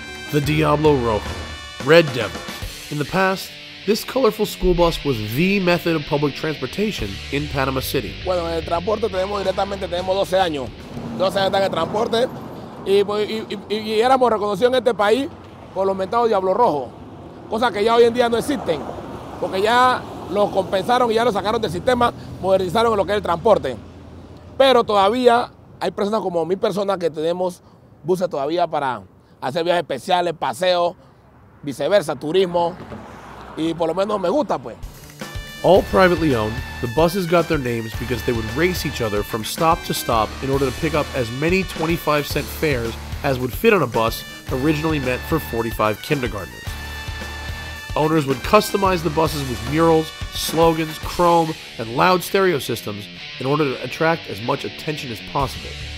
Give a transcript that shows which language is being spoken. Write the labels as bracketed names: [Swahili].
[English] The Diablo Rojo. Red Devils. In the past, this colorful school bus was the method of public transportation in Panama City. [Spanish] Bueno, en el transporte tenemos directamente, tenemos 12 años. 12 años en el transporte. Y éramos reconocidos en este país por los mentados Diablo Rojo. Cosa que ya hoy en día no existen. Porque ya los compensaron y ya los sacaron del sistema, modernizaron lo que es el transporte. Pero todavía hay personas como mi persona que tenemos buses todavía para hacer viajes especiales, paseos, viceversa, turismo. Y por lo menos me gusta, pues. [English] All privately owned, the buses got their names because they would race each other from stop to stop in order to pick up as many 25-cent fares as would fit on a bus originally meant for 45 kindergartners. Owners would customize the buses with murals, slogans, chrome, and loud stereo systems in order to attract as much attention as possible.